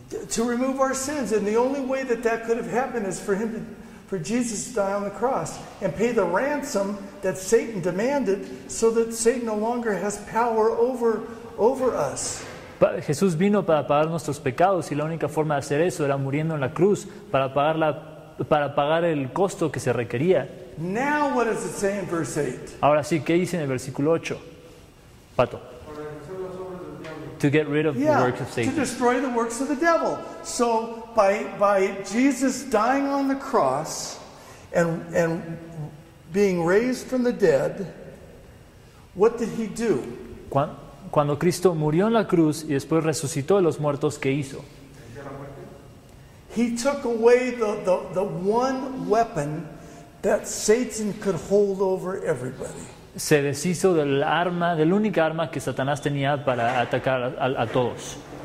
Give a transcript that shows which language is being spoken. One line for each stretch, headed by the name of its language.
English: To remove our sins, and the only way that could have happened is for him to for Jesus to die on the cross and pay the ransom that Satan demanded so that Satan no longer has power over us. But
Spanish: Jesús vino para pagar nuestros pecados y la única forma de hacer eso era muriendo en la cruz para pagar el costo que se requería.
English: Now what does it say in verse 8?
Spanish: Ahora sí, ¿qué dice en el versículo 8? Pato.
English: To get rid of the works of Satan. To destroy the works of the devil. So by Jesus dying on the cross and being raised from the dead, what did he do?
Spanish: Cuando Cristo murió en la cruz y después resucitó de los muertos, ¿qué hizo?
English: He took away the one weapon that Satan could hold over everybody.
Spanish: Se deshizo del arma, del único arma que Satanás tenía para atacar a todos.